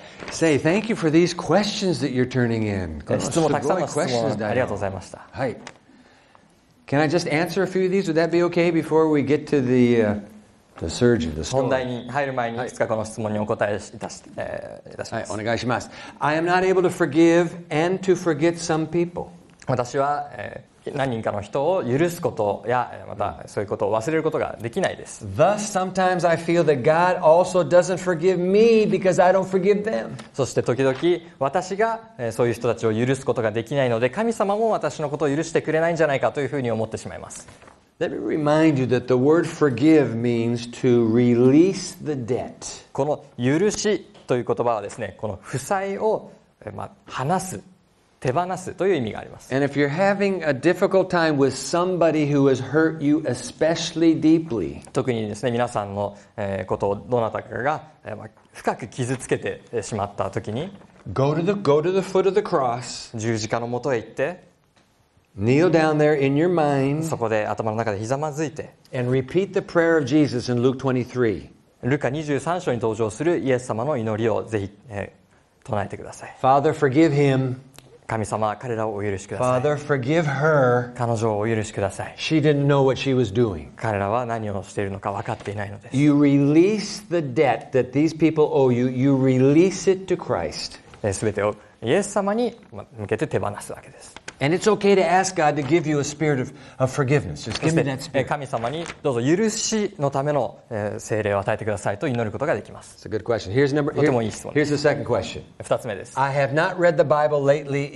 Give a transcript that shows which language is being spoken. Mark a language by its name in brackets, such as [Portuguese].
[English] Say thank you for these questions that you're turning in. [Japanese] ありがとうございました。 [English] Can I just answer a few of these? Would that be okay before we get to the the surge of the storm? [Japanese] 本題に入る前にいくつかこの質問にお答えいたします。はい、お願いします。 [English] I am not able to forgive and to forget some people. [Japanese] 私は、何人かの人を許すことや、またそういうことを忘れることができないです。 [English] Thus, sometimes I feel that God also doesn't forgive me because I don't forgive them. [Japanese] そして時々私が、そういう人たちを許すことができないので、神様も私のことを許してくれないんじゃないかというふうに思ってしまいます。 [English] Let me remind you that the word forgive means to release the debt. [Japanese] この許しという言葉はですね、この負債を、まあ、話す、手放すという意味があります。 [English] And if you're having a difficult time with somebody who has hurt you especially deeply, [Japanese] 特にですね、皆さんの、ことをどなたかが、まあ、深く傷つけてしまったときに、 [English] go to the foot of the cross, [Japanese] 十字架のもとへ行って、 [English] Kneel down there in your mind. [Japanese] そこで頭の中でひざまずいて。 [English] And repeat the prayer of Jesus in Luke 23. [Japanese] ルカ23章に登場するイエス様の祈りをぜひ、唱えてください。 [English] Father, forgive him. [Japanese] 神様、彼らをお許しください。 [English] Father, forgive her. [Japanese] 彼女をお許しください。 [English] She didn't know what she was doing. [Japanese] 彼らは何をしているのか分かっていないのです。 [English] You release the debt that these people owe you. You release it to Christ. [Japanese] すべてをイエス様に向けて手放すわけです。 [English] And it's okay to ask God to give you a spirit of forgiveness. Just give me that spirit. [Japanese] 神様にどうぞ許しのための聖霊を与えてくださいと祈ることができます。 [English] It's a good question. Here's number. [Japanese] とてもいい質問。 [English] Here's the second question. [Japanese] 二つ目です。 [English] I have not read the Bible lately.